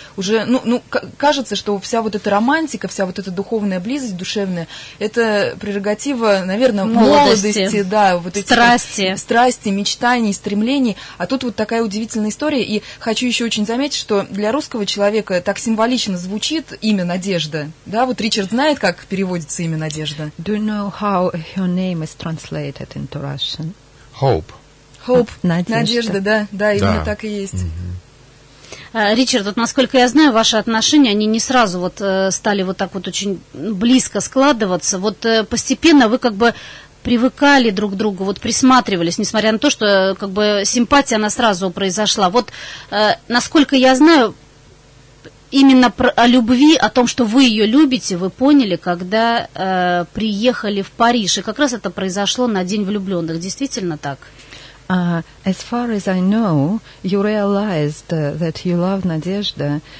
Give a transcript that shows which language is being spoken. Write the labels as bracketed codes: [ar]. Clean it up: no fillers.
[ru] Уже, кажется, что вся вот эта романтика, вся вот эта духовная близость, душевная, это прерогатива, наверное, молодости, да, вот страсти. Эти страсти, мечтаний, стремлений. А тут вот такая удивительная история. И хочу еще очень заметить, что для русского человека так символично звучит имя Надежда. Да, вот Ричард знает, как переводится имя Надежда? [en] Do you know how her name is translated into Russian? Hope. [ru] Hope. Надежда, да. Да, именно так и есть. Ричард, вот насколько я знаю, ваши отношения, они не сразу вот стали вот так вот очень близко складываться. Вот постепенно вы как бы привыкали друг к другу, вот присматривались, несмотря на то, что как бы симпатия, она сразу произошла. Вот насколько я знаю, именно о любви, о том, что вы ее любите, вы поняли, когда приехали в Париж. И как раз это произошло на День влюбленных. Действительно так? [en] As far as I know, you realized that you love Надежда.